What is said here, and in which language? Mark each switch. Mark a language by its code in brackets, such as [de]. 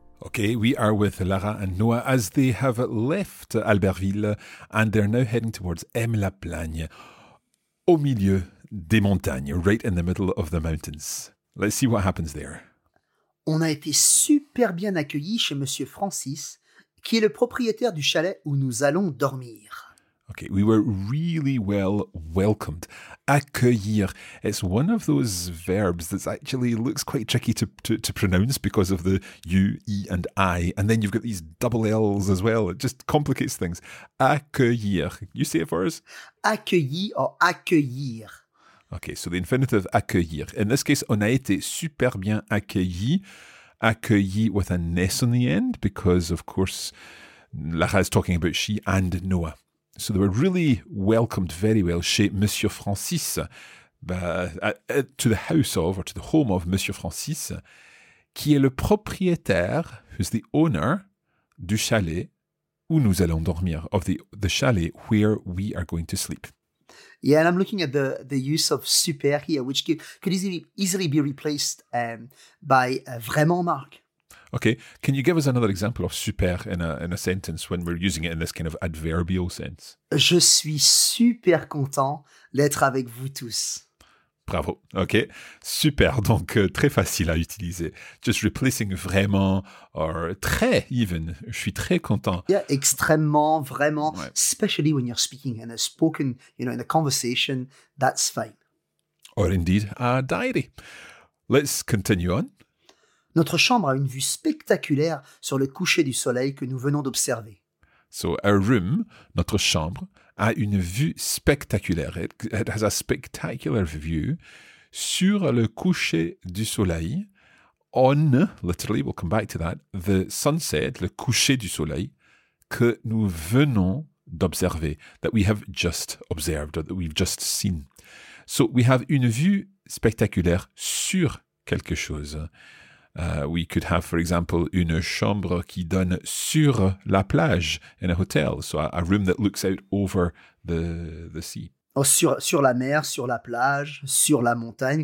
[en] Okay, we are with Lara and Noah as they have left Albertville and they're now heading towards M-la-Plagne, [fr] au milieu des montagnes, [en] right in the middle of the mountains. Let's see what happens there. [fr] on a été super bien accueillis chez Monsieur Francis, qui est le propriétaire du chalet où nous allons dormir. [en] Okay, we were really well welcomed. Accueillir. It's one of those verbs that actually looks quite tricky to pronounce because of the U, E, and I. And then you've got these double L's as well. It just complicates things. Accueillir. You say it for us? [fr] Accueillir or accueillir. [en] Okay, so the infinitive accueillir. In this case, [fr] on a été super bien accueilli. [en] Accueilli with an S on the end because, of course, Lara is talking about she and Noah. So they were really welcomed very well chez Monsieur Francis, to the house of, or to the home of Monsieur Francis, [fr] qui est le propriétaire, [en] who's the owner, [fr] du chalet où nous allons dormir, [en] of the chalet where we are going to sleep. Yeah, and I'm looking at the use of super here, which could easily be replaced by vraiment, Marc. Okay, can you give us another example of super in a sentence when we're using it in this kind of adverbial sense? [fr] Je suis super content d'être avec vous tous. Bravo, okay. Super, donc très facile à utiliser. [en] Just replacing vraiment or très even. [fr] Je suis très content. Yeah, extrêmement, vraiment. Ouais. [en] Especially when you're speaking in a spoken, you know, in a conversation, that's fine. Or indeed, a diary. Let's continue on. [fr] Notre chambre a une vue spectaculaire sur le coucher du soleil que nous venons d'observer. [en] So, our room, [fr] notre chambre, a une vue spectaculaire. [en] It has a spectacular view [fr] sur le coucher du soleil. [en] On, literally, we'll come back to that, the sunset, [fr] le coucher du soleil, que nous venons d'observer, [en] that we have just observed, or that we've just seen. So, we have [fr] une vue spectaculaire sur quelque chose. [en] We could have, for example, [fr] une chambre qui donne sur la plage [en] in a hotel. So a room that looks out over the sea. [fr] Oh, sur la mer, sur la plage, sur la montagne.